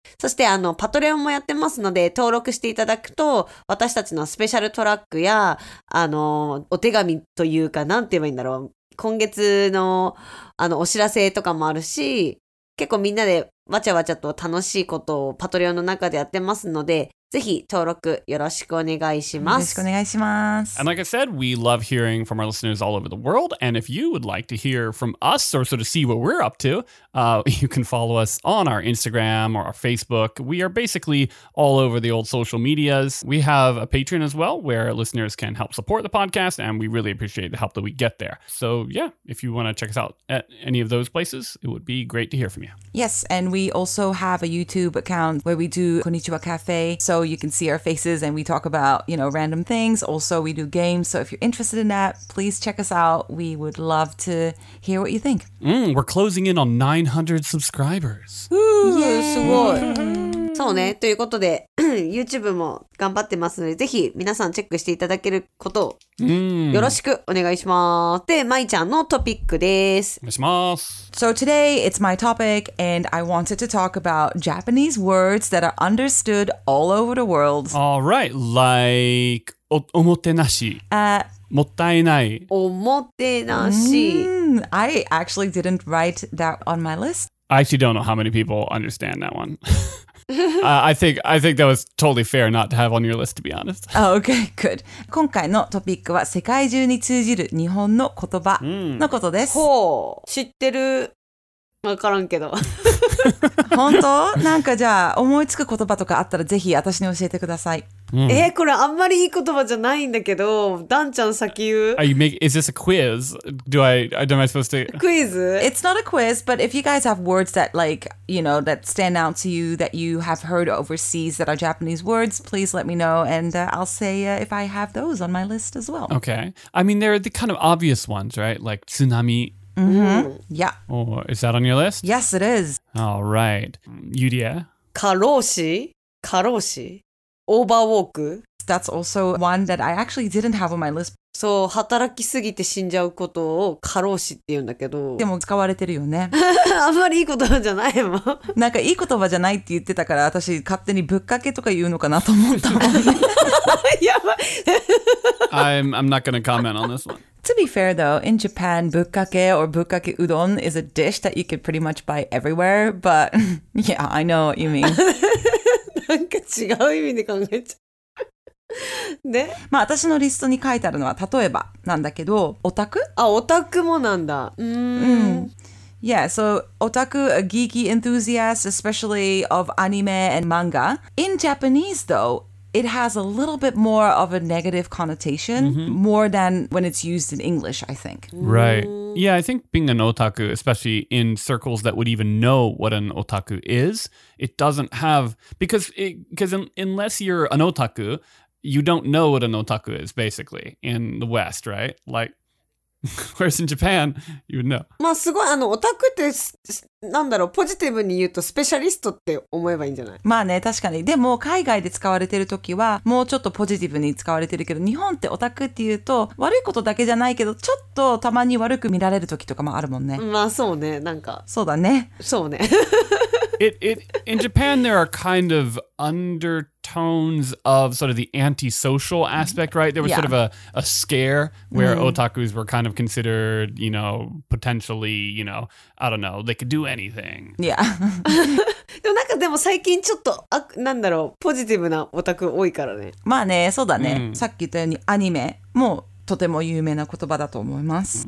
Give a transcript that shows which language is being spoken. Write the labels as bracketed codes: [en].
[ja] そしてパトレオンもやってますので、登録していただくと、私たちのスペシャルトラックや、お手紙というか、なんて言えばいいんだろう。今月の、お知らせとかもあるし、結構みんなでわちゃわちゃと楽しいことをパトレオンの中でやってますので、ぜひ登録よろしくお願いします。よろしくお願いします。 [en] And like I said, we love hearing from our listeners all over the world. And if you would like to hear from us or sort of see what we're up to, you can follow us on our Instagram or our Facebook. We are basically all over the old social medias. We have a Patreon as well where listeners can help support the podcast and we really appreciate the help that we get there. So yeah, if you want to check us out at any of those places, it would be great to hear from you. Yes, and we also have a YouTube account where we do Konnichiwa Cafe. So you can see our faces and we talk about, you know, random things. Also, we do games. So if you're interested in that, please check us out. We would love to hear what you think. We're closing in on 900 subscribers. Yay! [ja] すごい。そうね。ということで、YouTube も頑張ってますので、ぜひ皆さんチェックしていただけることをよろしくお願いします。で、まいちゃんのトピックです。お願いします。 [en] So today, it's my topic, and I wanted to talk about Japanese words that are understood all over the world. All right, like おもてなし。もったいない。 [ja] おもてなし。 [en] I actually didn't write that on my list. I actually don't know how many people understand that one. I think that was totally fair not to have on your list, to be honest. Okay, good. [ja] 今回のトピックは世界中に通じる日本の言葉のことです。ほう、知ってる。分からんけど。本当？なんかじゃあ思いつく言葉とかあったらぜひ私に教えてください。これあんまりいい言葉じゃないんだけど、ダンちゃん先言う。 [en] Is this a quiz? Am I supposed to? Quiz? It's not a quiz, but if you guys have words that like, you know, that stand out to you that you have heard overseas that are Japanese words, please let me know and I'll say if I have those on my list as well. Okay. I mean, they're the kind of obvious ones, right? Like tsunami. Mm-hmm. Yeah. Oh, is that on your list? Yes, it is. All right. Yuria? Karoshi? Karoshi? Overwork? That's also one that I actually didn't have on my list. So, [ja] 働きすぎて死んじゃうことを過労死って言うんだけど。でも使われてるよね。あんまりいい言葉じゃないもん。なんかいい言葉じゃないって言ってたから、私勝手にぶっかけとか言うのかなと思ったもん、ね。やばい。 [en] I'm not gonna comment on this one. To be fair though, in Japan, bukkake or bukkake udon is a dish that you could pretty much buy everywhere, but yeah, I know what you mean. [ja] なんか違う意味で考えちゃう。ね、まあ私のリストに書いてあるのは例えばなんだけど、オタク？あ、オタクもなんだ。 [en] Yeah, so otaku, a geeky enthusiast, especially of anime and manga. In Japanese though, it has a little bit more of a negative connotation, more than when it's used in English, I think. Right. Yeah, I think being an otaku, especially in circles that would even know what an otaku is, it doesn't have... Because unless you're an otaku, you don't know what an otaku is, basically, in the West, right? Like, whereas in Japan, you would know. [ja] まあすごい、オタクって、なんだろう、ポジティブに言うとスペシャリストって思えばいいんじゃない？まあね、確かに。でも、海外で使われてる時は、もうちょっとポジティブに使われてるけど、日本ってオタクって言うと、悪いことだけじゃないけど、ちょっとたまに悪く見られる時とかもあるもんね。まあそうね、なんか。そうだね。そうね。 [en] In Japan, there are kind of undertones of sort of the antisocial aspect, right? There was sort of a scare where otakus were kind of considered, you know, potentially, you know, I don't know, they could do anything. Yeah. [ja] でもなんかでも最近ちょっとなんだろう、ポジティブなオタク多いからね。まあね、そうだね。さっき言ったようにアニメもとても有名な言葉だと思います。